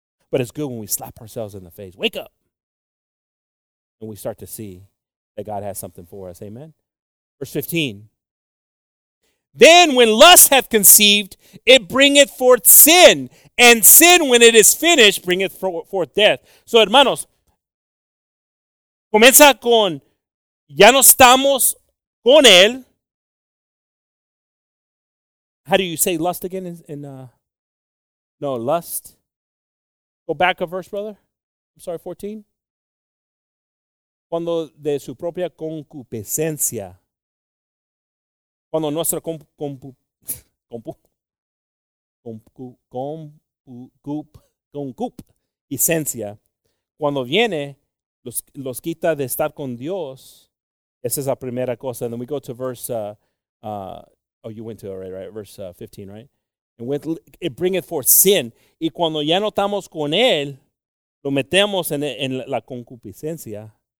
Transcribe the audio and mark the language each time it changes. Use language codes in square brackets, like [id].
[en] But it's good when we slap ourselves in the face. Wake up. And we start to see that God has something for us. Amen. Verse 15. Then when lust hath conceived, it bringeth forth sin. And sin, when it is finished, bringeth forth death. [es] So, hermanos, comienza con, ya no estamos con él. [en] How do you say lust again lust. Go back a verse, brother. I'm sorry, [es] 14. Cuando de su propia concupiscencia. Cuando nuestra concupiscencia. Cuando viene, los quita de estar con Dios. Esa es la primera cosa. [en] And then we go to verse, you went to it already, right? Verse 15, right? And with, it bringeth forth sin. [es] Y cuando ya no estamos con él, lo metemos en la concupiscencia.